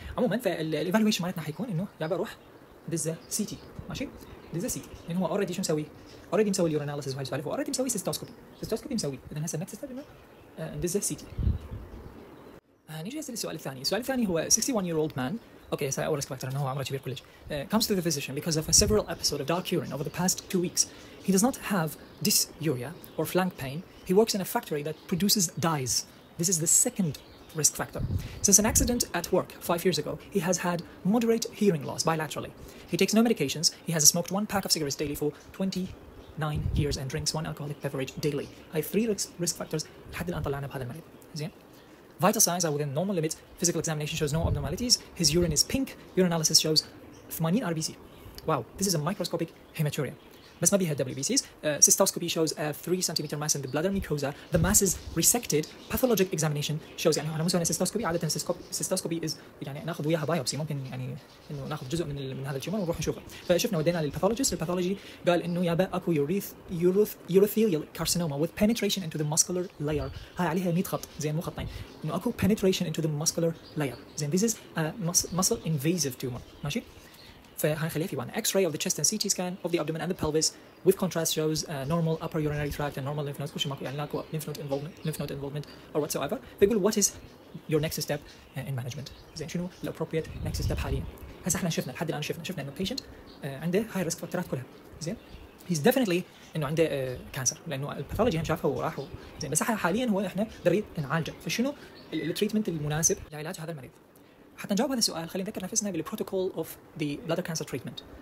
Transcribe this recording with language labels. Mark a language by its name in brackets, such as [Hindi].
[Arabic] عموما فالايفالويشن مالتنا حيكون انه يا بروح دزه سي تي ماشي, دزه سي تي لانه هو اوريدي شو مسوي, اوريدي مسوي اليور اناليسيس وهاي السوالف, اوريدي مسوي سيستوسكوبي. سيستوسكوبي مسوي, اذا هسه نكست ستيب انه دزه سي تي. نيجي هسه للسؤال الثاني. السؤال الثاني هو [English] 61-year-old man. Okay, so our risk factor, no, [Arabic] عمره كبير كلش. [English] Comes to the physician because of a several episode of dark urine over the past 2 weeks. He does not have dysuria or flank pain. He works in a factory that produces dyes. This is the second risk factor. Since an accident at work 5 years ago, he has had moderate hearing loss bilaterally. He takes no medications. He has smoked one pack of cigarettes daily for 29 years and drinks one alcoholic beverage daily. I have three risk factors. [Arabic] حد الآن طلعنا بهذا المريض. [English] زين؟ Vital signs are within normal limits. Physical examination shows no abnormalities. His urine is pink. Urinalysis shows 80 RBC. Wow, this is a microscopic hematuria. [Arabic] بس ما بيها WBCs. [English] Cystoscopy shows a 3 cm mass in the bladder mucosa. The mass is resected. Pathologic examination shows, [Arabic] يعني انا مو سوينا cystoscopy, عادة cystoscopy is يعني ناخذ وياها بايوبسي, ممكن يعني انه ناخذ جزء من هذا الشيء ونروح نشوفه. فشفنا ودينا للباثولوجيست, الباثولوجي قال انه يابا اكو [English] urothelial carcinoma with penetration into the muscular layer. [Arabic] هاي عليها 100 خط, زين مو خطين, انه اكو [English] penetration into the muscular layer. [Arabic] زين, [English] this is a muscle invasive tumor [Arabic] ماشي. [English] خلافي وان X-ray of the chest and CT scan of the abdomen and the pelvis with contrast shows normal upper urinary tract and normal lymph nodes. [Arabic] كل شيء ماكو يعني لاكو [English] lymph node involvement or whatsoever. فيقول what is your next step in management. [Arabic] زين شنو [English] the appropriate next step حاليا. [Arabic] هسا احنا شفنا لحد الان شفنا انه patient عنده high risk فاكتورات كلها. زين [English] he's definitely [Arabic] انه عنده cancer لانه الباثولوجي هم شافه وراح. زين بس حاليا هو احنا نريد نعالجه. فشنو التريتمنت المناسب لعلاج هذا المريض. حتى نجاوب هذا السؤال خلينا نذكر نفسنا بالبروتوكول اوف ذا بلادر كانسر تريتمنت.